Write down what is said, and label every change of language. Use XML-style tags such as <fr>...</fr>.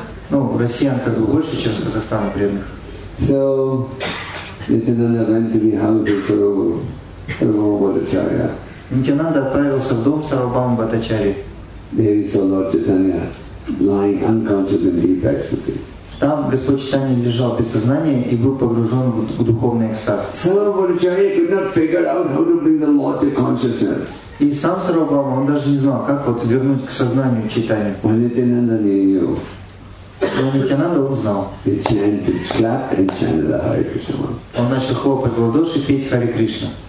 <ru>Ну, россиян как бы больше, чем с Казахстана преданных.</ru> <en>So, Nityananda went to the house of Sarvabhauma Bhattacharya.</en> <ru>Nityananda отправился в дом Сарвабхама Бхаттачарьи.</ru> <en>There he saw Lord Chaitanya lying unconscious in deep ecstasy.</en> <ru>Там Господь Чайтанья лежал без сознания и был погружен в духовный экстаз.</ru> <en>Sarvabhauma Bhattacharya could not figure out how to bring the Lord to consciousness.</en> <ru>И сам Сарвабхама, он даже не знал, как вот вернуть к сознанию Чайтанью.</ru> <en>When Nityananda knew.</en> <ru>Но Нитянанда узнал. Он начал хлопать в ладоши и петь Харе Кришна.</ru>